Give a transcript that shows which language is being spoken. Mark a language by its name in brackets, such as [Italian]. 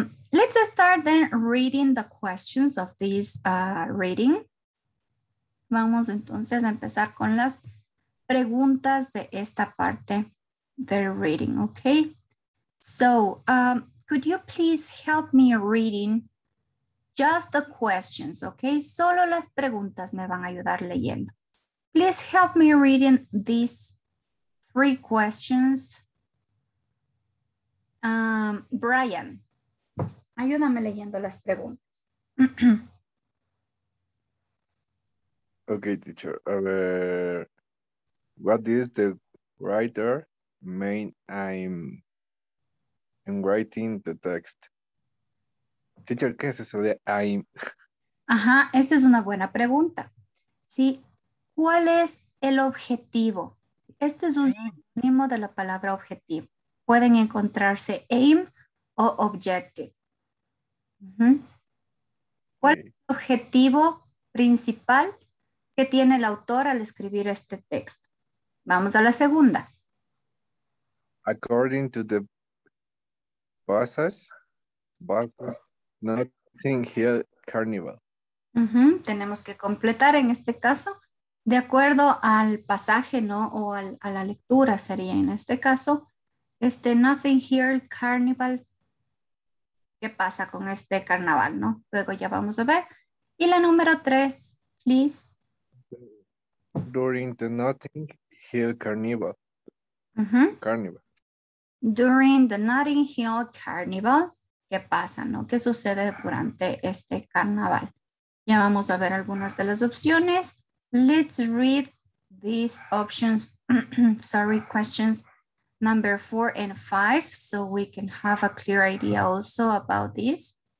[English] Let's start then reading the questions of this reading. [Spanish] Vamos entonces a empezar con las preguntas de esta parte del reading, okay? [English] So, could you please help me reading just the questions, okay? [Spanish] Solo las preguntas me van a ayudar leyendo. [English] Please help me reading these three questions. [Spanish] Brian, ayúdame leyendo las preguntas. [English] Okay, teacher. [Spanish] A ver, [English] what is the writer main aim in writing the text? [Spanish] Teacher, ¿qué es eso de aim? Ajá, esa es una buena pregunta. Sí, ¿cuál es el objetivo? Este es un sinónimo de la palabra objetivo. Pueden encontrarse aim o objective. ¿Cuál es el objetivo principal que tiene el autor al escribir este texto? Vamos a la segunda. [English] According to the passage, Balcus, nothing here carnival. [Spanish] Tenemos que completar en este caso, de acuerdo al pasaje, ¿no? O a la lectura sería en este caso. Este [English] nothing here carnival. [Spanish] ¿Qué pasa con este carnaval, no? Luego ya vamos a ver. Y la número 3, please. [English] During the Notting Hill Carnival. Carnival. During the Notting Hill Carnival. [Spanish] ¿Qué pasa, no? ¿Qué sucede durante este carnaval? Ya vamos a ver algunas de las opciones. [English] Let's read these options. Sorry, questions. Number 4 and 5, so we can have a clear idea also about this.